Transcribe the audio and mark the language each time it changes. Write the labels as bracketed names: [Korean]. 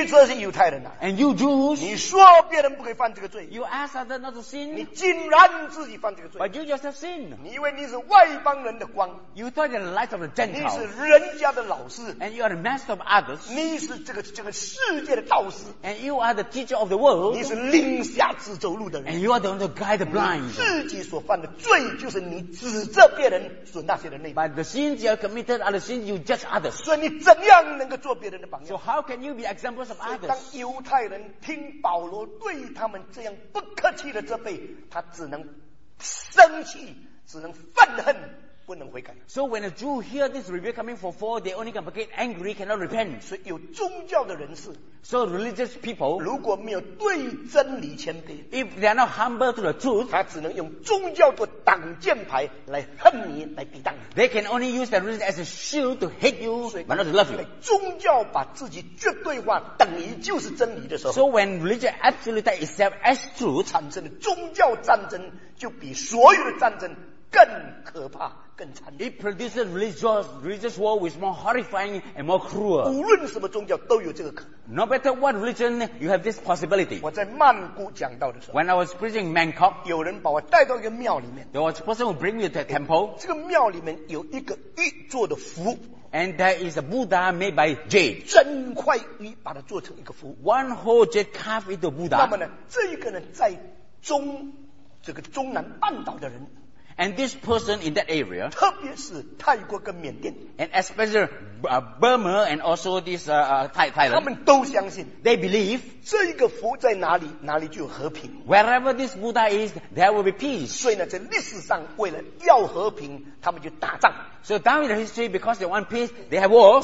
[Chinese] 你这些犹太人啊 [English] and you Jews [Chinese] 你说别人不可以犯这个罪 [English] you ask that not to sin [Chinese] 你竟然自己犯这个罪 [English] but you yourself sin [Chinese] 你以为你是外邦人的光 [English] you thought you're the light of the Gentiles [Chinese] 你是人家的老师 [English] and you are the master of others [Chinese] 你是这个世界的导师 [English] and you are the teacher of the world [Chinese] 你是领瞎子走路的人 [English] and you are the one to guide the blind [Chinese] 你自己所犯的罪就是你指责别人所那些人类 [English] but the sins you are committed are the sins you judge others [Chinese] 所以你怎样能够做别人的榜样 [English] so how can you be examples of others [Chinese] 所以当犹太人听保罗对他们这样不客气的责备他只能生气只能愤恨不能悔改 [English] so when a Jew hear this rebuke coming for fall they only can get angry cannot repent [Chinese] 所以有宗教的人士 [English] so religious people [Chinese] 如果没有对真理谦卑 [English] if they are not humble to the truth [Chinese] 他只能用宗教做挡箭牌来恨你来抵挡你 [English] they can only use that religion as a shield to hate you but not to love you [Chinese] 宗教把自己绝对化等于就是真理的时候 [English] so when religion absolutely itself as truth [Chinese] 产生的宗教战争就比所有的战争更可怕 [English] It produces religious war which is more horrifying and more cruel. [Chinese] 无论什么宗教都有这个可能。 [English] No matter what religion, you have this possibility. [Chinese] 我在曼谷讲道的时候 [English] When I was preaching in Bangkok, [Chinese] 有人把我带到一个庙里面。 [English] There was a person who bring me to a temple. [Chinese] 这个庙里面有一个玉做的符。 [English] And there is a Buddha made by jade. [Chinese] 整块玉把它做成一个符。 [English] One whole jade carved into Buddha. [Chinese] 那么呢，这一个呢，在这个中南半岛的人。 [English] And this person in that area, [Chinese] 特别是泰国跟缅甸 [English] and especially Burma and also this Thailand, [Chinese] 他们都相信 [English] they believe, [Chinese] 这一个佛在哪里，哪里就有和平 [English] wherever this Buddha is, there will be peace. [Chinese] 所以呢，在历史上为了要和平，他们就打仗 [English] So down in the history, because they want peace, they have wars.